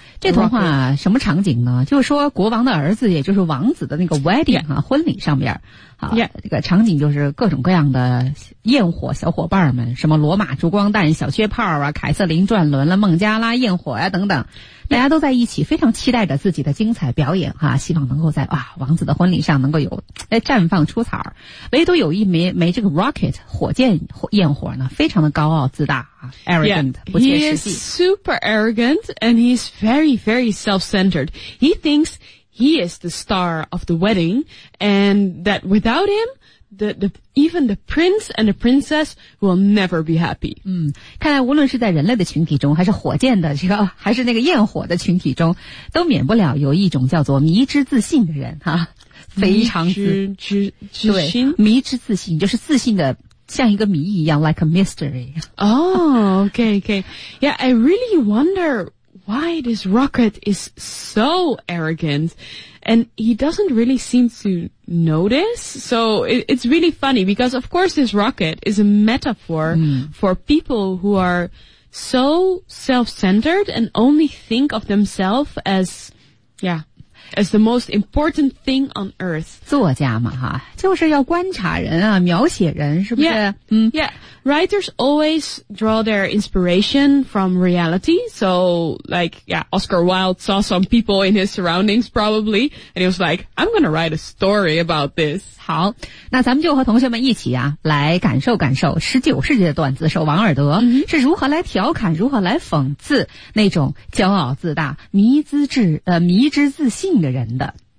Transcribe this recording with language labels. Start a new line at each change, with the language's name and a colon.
Chinese: 这童话什么场景呢？就是说国王的儿子，也就是王子的那个 wedding ，婚礼上边。
English: Yeah.
Chinese: 这个场景就是各种各样的焰火小伙伴们，什么罗马烛光弹、小雪炮啊、凯瑟琳转轮了、孟加拉焰火啊等等，大家都在一起，非常期待着自己的精彩表演，希望能够在王子的婚礼上能够有绽放出彩。唯独有一枚这个 rocket 火箭焰火呢，非常的高傲自大，arrogant ，不切实际。
English: He is super arrogant and he's very very self-centered. He thinks. He is the star of the wedding, and that without him, even the prince and the princess will never be happy.
Chinese: 看来无论是在人类的群体中，还是火箭的这个，还是那个焰火的群体中，都免不了有一种叫做迷之自信的人，非常迷之自信。对，迷之自信就是自信的像一个谜一样 ， like a mystery.
English: Oh, okay, okay. Yeah, I really wonder. Why this rocket is so arrogant, and he doesn't really seem to notice. So it's really funny because of course this rocket is a metaphor for people who are so self-centered and only think of themselves as, yeah, is the most important thing on earth.
Chinese: 作家嘛哈，就是要观察人啊，描写人是不是
English: yeah.、嗯、yeah, writers always draw their inspiration from reality. So like, yeah, Oscar Wilde saw some people in his surroundings probably, and he was like, I'm going to write a story about this.
Chinese: 好，那咱们就和同学们一起啊，来感受感受19世纪的段子手王尔德、 mm-hmm. 是如何来调侃、如何来讽刺那种骄傲自大、迷之自信的人的。